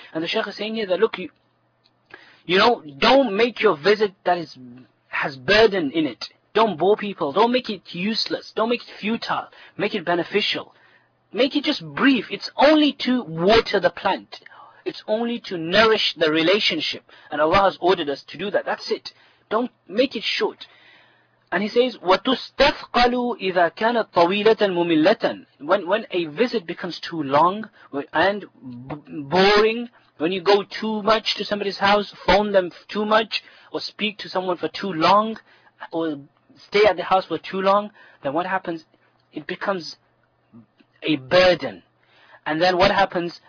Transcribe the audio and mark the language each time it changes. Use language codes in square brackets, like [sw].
[en] And the Shaykh is saying here that, look, you don't make your visit that has burden in it. Don't bore people. Don't make it useless. Don't make it futile. Make it beneficial. Make it just brief. It's only to water the plant. It's only to nourish the relationship. And Allah has ordered us to do that. That's it. Don't make it short. And he says, [ar] وَتُسْتَثْقَلُوا إِذَا كَانَتْ طَوِيلَةً مُمِلَّةً. [en] When a visit becomes too long and boring, when you go too much to somebody's house, phone them too much, or speak to someone for too long, or stay at the house for too long, then what happens? It becomes a burden. And then what happens?